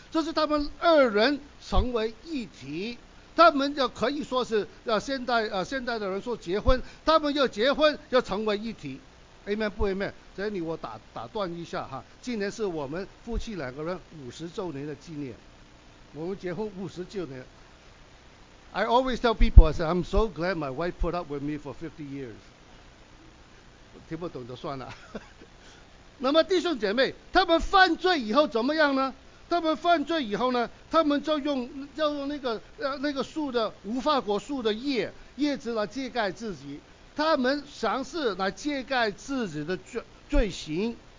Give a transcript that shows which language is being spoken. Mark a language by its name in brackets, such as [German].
[Chinese] 就是他们二人成为一体。他们要可以说是要现代的人说结婚，他们要结婚要成为一体 ，Amen 不 Amen？这里我打断一下哈，今年是我们夫妻两个人50周年的纪念，我们结婚50周年。 [English] I always tell people I say I'm so glad my wife put up with me for 50 years。 [Chinese] 听不懂就算了。那么弟兄姐妹，他们犯罪以后怎么样呢？他们犯罪以后呢，他们就用那个树的无花果树的叶子来遮盖自己，他们尝试来遮盖自己的罪行。